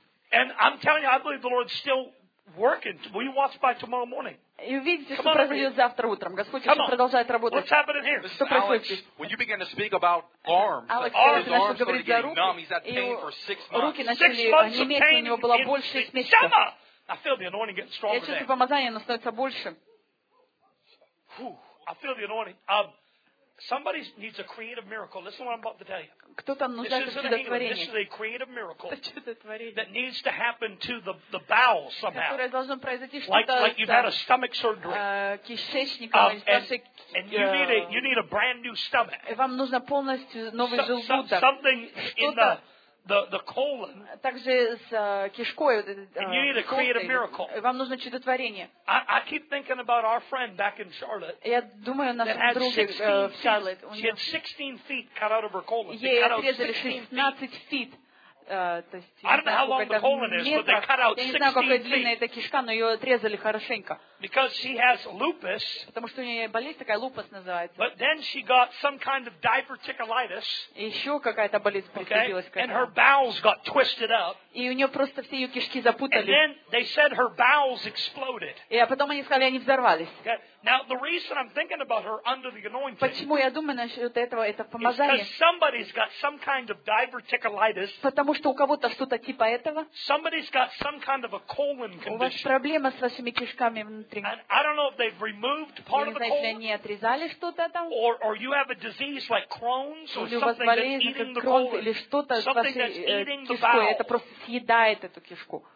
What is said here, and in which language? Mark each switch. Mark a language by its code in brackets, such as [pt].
[en] And I'm telling you, I believe the Lord's still working. Will you watch by tomorrow morning? [ru] И увидите, что произойдет завтра утром. Господь еще продолжает работать. [en] What's happening here? [ru] Что происходит здесь? [en] When you begin to speak about arms, Alex, all his arms started getting numb. He's had pain for 6 months. [ru] Руки начали неметь, у него было больше 6 месяцев. [en] Summer. I feel the anointing getting stronger. [ru] Я чувствую помазание, оно становится больше. [en] I feel the anointing. Somebody needs a creative miracle. Listen to what I'm about to tell you. [ru] Кто-то нуждается в чудотворении. [en] This is a creative miracle that needs to happen to the bowels somehow. [ru] Которое должно произойти что-то. [en] Like you've had a stomach surgery. [ru] Кишечником. [en] And you need a brand new stomach. [ru] И вам нужно полностью новый желудок. [en] Something in the colon. [ru] Также с кишкой. [en] And you need a creative miracle. [ru] Вам нужно чудотворение. [en] I keep thinking about our friend back in Charlotte. [ru] Я думаю о нашем друге в Charlotte. [en] She had 16 feet cut out of her colon. [ru] Ей отрезали 16 feet. То есть. [en] I don't know how long the colon is, but they cut out 16 feet. [ru] Я не знаю, какая длинная эта кишка, но ее отрезали хорошенько. [en] Because she has lupus. [ru] Потому что у нее болезнь такая, лупус называется. [en] But then she got some kind of diverticulitis. [ru] Еще какая-то болезнь приключилась к ней. [en] And her bowels got twisted up. [ru] И у нее просто все ее кишки запутались. [en] And then they said her bowels exploded. [ru] И а потом они сказали, они взорвались. [en] Now the reason I'm thinking about her under the anointing. [ru] Почему я думаю насчет этого, это помазание? [en] Because somebody's got some kind of diverticulitis. [ru] Потому что у кого-то что-то типа этого. [en] Somebody's got some kind of a colon condition. [ru] У вас проблема с вашими кишками. [en] And I don't know if they've removed part of the colon. [ru] Не знаю, отрезали что-то там. [en] Or you have a disease like Crohn's or something that's eating the colon. [ru] Или что-то с вашей кишкой. Это просто съедает эту кишку.